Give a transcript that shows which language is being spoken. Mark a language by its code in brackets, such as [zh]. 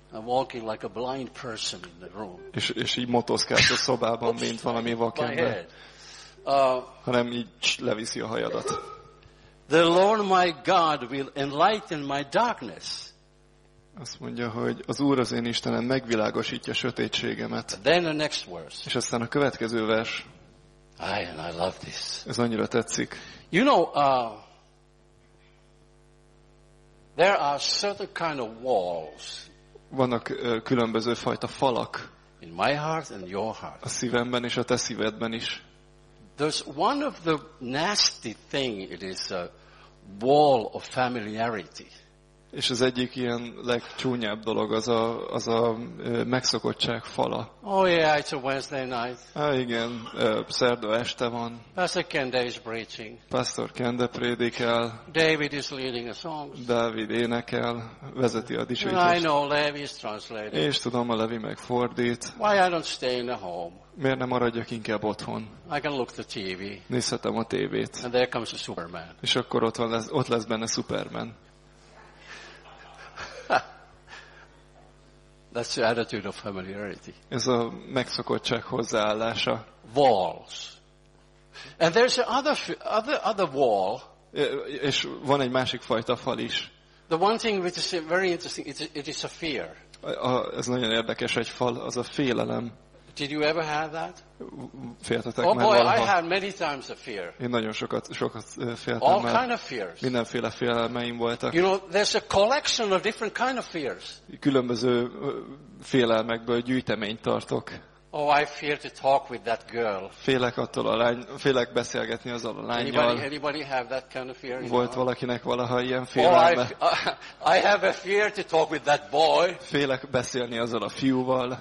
[en] I'm walking like a blind person in the room. [hu] És így motoszkálsz a szobában, mint valami vakember. Hanem így leviszi a hajadat. [en] The Lord my God will enlighten my darkness. [hu] Azt mondja, hogy az Úr az én Istenem megvilágosítja sötétségemet. [en] Then the next verse. [hu] És aztán a következő vers. [en] And I love this. [hu] Ez annyira tetszik. [en] You know, there are certain kind of walls. [hu] Vannak különböző fajta falak. [en] In my heart and your heart. [hu] A szívemben és a te szívedben is. [en] There's one of the nasty thing, it is a wall of familiarity. [hu] És az egyik ilyen legcsúnyább dolog az a megszokottság fala. [en] Oh yeah, it's a Wednesday night. [hu] Igen, szerda este van. [en] Pastor Kende is preaching. [hu] Pastor Kende prédikál. [en] David is leading a song. [hu] David énekel, vezeti a dicsőítést. [en] I know Levi is translating. [hu] És tudom, a Levi megfordít. [en] Why I don't stay in the home? [hu] Miért nem maradjak inkább otthon? [en] I can look the TV. [hu] Nézhetem a TV-t. [en] And there comes a Superman. [hu] És akkor ott lesz benne Superman. [en] That's the attitude of familiarity. [hu] Ez a megszokottság hozzáállása. [en] Walls. And there's another wall. [hu] És van egy másik fajta fal is. [en] The one thing which is very interesting, it is a fear. [hu] Ez nagyon érdekes egy fal, az a félelem. [en] Did you ever have that? [hu] Féltetek már valaha? [en] Oh boy, I had many times a fear. [hu] Én nagyon sokat féltem. [en] All kind of fears. [hu] Mindenféle félelmeim voltak. [en] You know, there's a collection of different kind of fears. [hu] Különböző félelmekből gyűjteményt tartok. [en] Oh, I fear to talk with that girl. [hu] Félek beszélgetni azzal a lányjal. [en] Anybody have that kind of fear? [hu] Volt valakinek valaha ilyen félelme? [en] I have a fear to talk with that boy. [hu] Félek beszélni azzal a fiúval.